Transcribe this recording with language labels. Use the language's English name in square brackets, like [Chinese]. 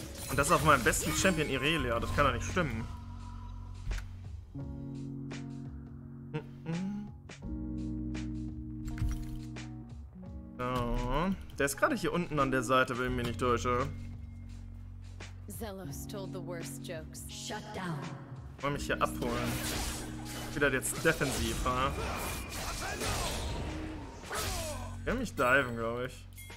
[German] Und das auf meinem besten Champion Irelia, das kann doch nicht stimmen. Ja. Der ist gerade hier unten an der Seite, will mir nicht durch, oder? [English] Zelos told the worst jokes. Shut down. [German] Wollen mich hier abholen. Wieder jetzt defensiv, ha? Ich will mich diven, glaube ich.